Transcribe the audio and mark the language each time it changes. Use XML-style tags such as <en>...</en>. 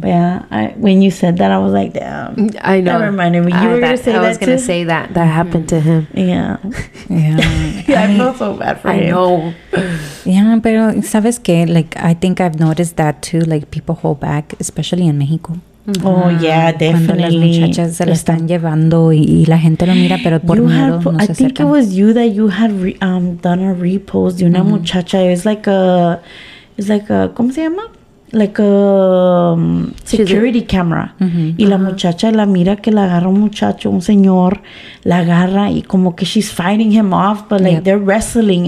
<en>But yeah, when you said that, I was like, damn. I know. Never mind. I was gonna say that. That happened to him. Yeah. Yeah. I feel so bad for him. I know. Yeah, but</en> <es>sabes que,</es> <en>like, I think I've noticed that too. Like, people hold back, especially in Mexico. Mm-hmm. Oh yeah, definitely.</en> <es>Cuando las muchachas se lo están llevando y la gente lo mira, pero por miedo no se acercan.</es> <en>I think it was you that you had done a repost</en> <es>de una muchacha.</es> <en>It's like a</en> <es>¿cómo se llama?</es> <en>Like a security camera. Mm-hmm.</en> <es>Y la muchacha la mira que la agarra un muchacho, un señor, la agarra y como que</es> <en>she's fighting him off, but like they're wrestling.</en>